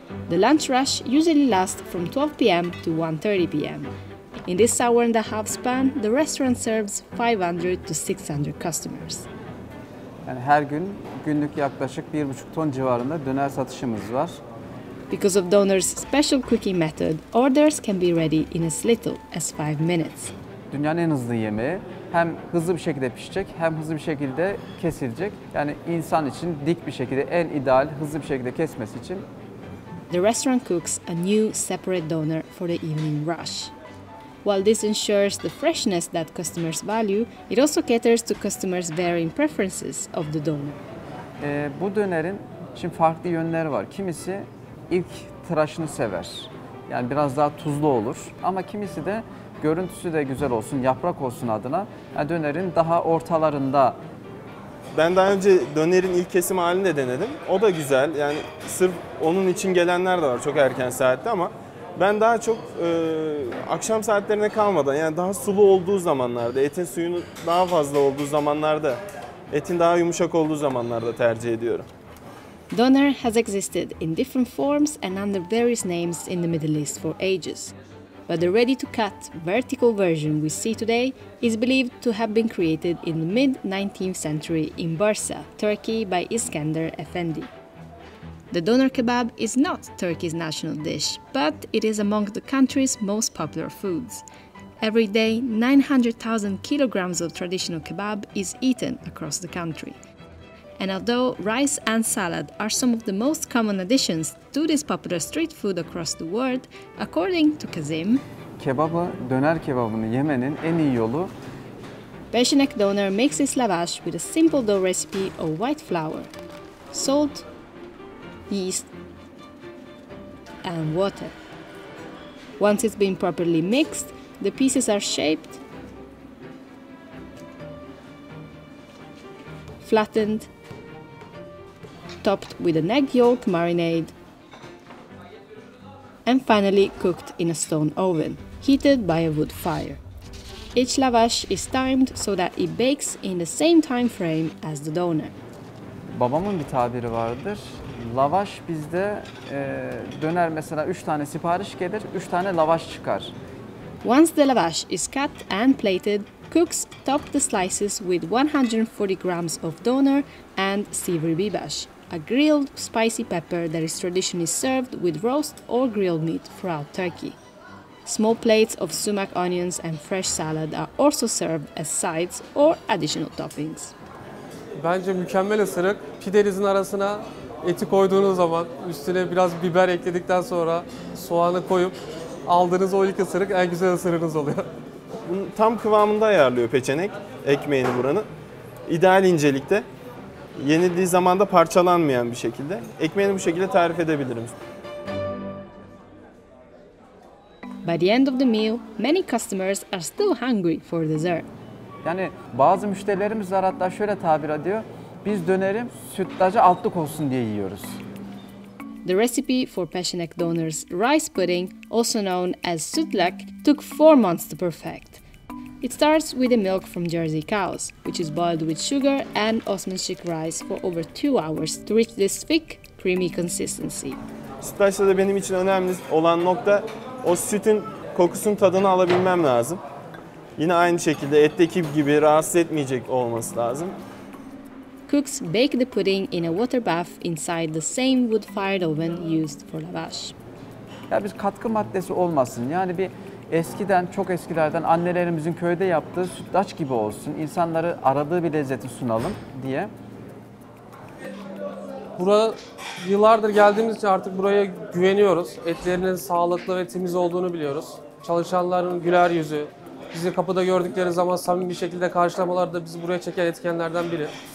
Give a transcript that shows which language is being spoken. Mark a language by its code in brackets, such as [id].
[en] The lunch rush usually lasts from 12 p.m. to 1:30 p.m. In this hour and a half span, the restaurant serves 500 to 600 customers. [tr] Yani her gün günlük yaklaşık 1,5 ton civarında döner satışımız var. [en] Because of Döner's special cooking method, orders can be ready in as little as 5 minutes. [tr] Dünyanın en hızlı yemeği, hem hızlı bir şekilde pişecek, hem hızlı bir şekilde kesilecek. Yani insan için dik bir şekilde en ideal, hızlı bir şekilde kesmesi için. [en] The restaurant cooks a new separate döner for the evening rush. While this ensures the freshness that customers value, it also caters to customers' varying preferences of the döner. [tr] Bu dönerin şimdi farklı yönleri var. Kimisi ilk tıraşını sever. Yani biraz daha tuzlu olur. Ama kimisi de görüntüsü de güzel olsun, yaprak olsun adına yani dönerin daha ortalarında. Ben daha önce dönerin ilk kesim halini de denedim. O da güzel. Yani sırf onun için gelenler de var çok erken saatte ama ben daha çok akşam saatlerine kalmadan yani daha sulu olduğu zamanlarda, etin suyunu daha fazla olduğu zamanlarda, etin daha yumuşak olduğu zamanlarda tercih ediyorum. [en] Döner has existed in different forms and under various names in the Middle East for ages. But the ready-to-cut, vertical version we see today is believed to have been created in the mid-19th century in Bursa, Turkey, by İskender Efendi. The Döner Kebab is not Turkey's national dish, but it is among the country's most popular foods. Every day, 900,000 kilograms of traditional kebab is eaten across the country. And although rice and salad are some of the most common additions to this popular street food across the world, according to Kazim, [tr] kebabı, döner kebabını yemenin en iyi yolu, [en] Beşinek Döner makes his lavash with a simple dough recipe of white flour, salt, yeast, and water. Once it's been properly mixed, the pieces are shaped, flattened, topped with an egg yolk marinade, and finally cooked in a stone oven, heated by a wood fire. Each lavash is timed so that it bakes in the same time frame as the döner. [tr] Babamın bir tabiri vardır. Lavaş bizde döner mesela 3 tane sipariş gelir, 3 tane lavaş çıkar. [en] Once the lavash is cut and plated, cooks top the slices with 140 grams of döner and sivri bibas, a grilled spicy pepper that is traditionally served with roast or grilled meat throughout Turkey. Small plates of sumac onions and fresh salad are also served as sides or additional toppings. [tr] Bence mükemmel ısırık. Pidenizin arasına eti koyduğunuz zaman üstüne biraz biber ekledikten sonra soğanı koyup aldığınız o ilk ısırık en güzel ısırığınız oluyor. Bunu tam kıvamında ayarlıyor peçenek ekmeğini buranın. İdeal incelikte. Yenildiği zaman da parçalanmayan bir şekilde. Ekmeğini bu şekilde tarif edebilirim. [en] By the end of the meal, many customers are still hungry for dessert. [tr] Yani bazı müşterilerimiz var hatta şöyle tabir ediyor. Biz dönerim sütlacı altlık olsun diye yiyoruz. [en] The recipe for Peşinek Döner's rice pudding, also known as sütlak, took 4 months to perfect. It starts with the milk from Jersey cows, which is boiled with sugar and osmanlık rice for over 2 hours to reach this thick, creamy consistency. [tr] Sütlaçta da benim için önemli olan nokta o sütün kokusunu tadını alabilmem lazım. Yine aynı şekilde etteki gibi rahatsız etmeyecek olması lazım. [en] Cooks bake the pudding in a water bath inside the same wood-fired oven used for lavash. [tr] Ya bir katkı maddesi olmasın. Yani bir eskiden, çok eskilerden annelerimizin köyde yaptığı sütlaç gibi olsun. İnsanları aradığı bir lezzeti sunalım diye. Buraya yıllardır geldiğimiz için artık buraya güveniyoruz. Etlerinin sağlıklı ve temiz olduğunu biliyoruz. Çalışanların güler yüzü, bizi kapıda gördükleri zaman samimi bir şekilde karşılamalar da bizi buraya çeken etkenlerden biri.